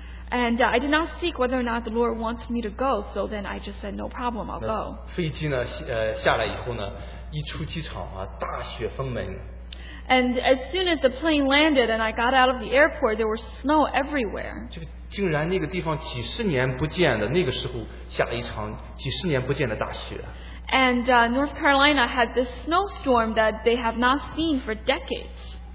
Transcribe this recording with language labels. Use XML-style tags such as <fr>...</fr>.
<en>And I did not seek whether or not the Lord wants me to go, so then I just said, no problem, I'll go.</en> <zh>飞机呢，下来以后呢，一出机场啊，大雪封门。</zh> <en>And as soon as the plane landed and I got out of the airport, there was snow everywhere.</en> <zh>竟然那个地方几十年不见的，那个时候下了一场几十年不见的大雪。</zh> <en>And North Carolina had this snowstorm that they have not seen for decades.</en>